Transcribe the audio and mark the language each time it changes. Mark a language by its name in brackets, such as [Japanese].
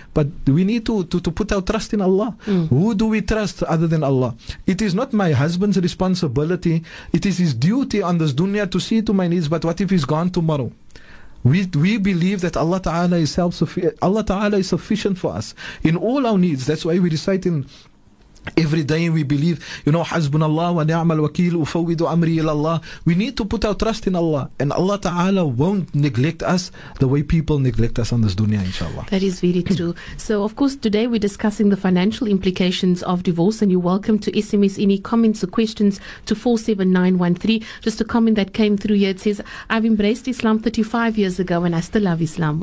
[English] But we need to put our trust in Allah. Who do we trust other than Allah? It is not my husband's responsibility, it is his duty on this dunya to see to my needs. But what if he's gone tomorrow? We believe that Allah Ta'ala is sufficient for us in all our needs. That's why we recite in Every day we believe, you know, [Arabic] حَزْبُنَ اللَّهُ وَنِعْمَ الْوَكِيلُ وَفَوِّدُ أَمْرِي إِلَى اللَّهِ. [English] We need to put our trust in Allah. And Allah Ta'ala won't neglect us the way people neglect us on this dunya, inshallah. That is very true. So, of course, today we're discussing the financial implications of divorce. And you're welcome to SMS any comments or questions to 47913. Just a comment that came through here. It says, I've embraced Islam 35 years ago and I still love Islam.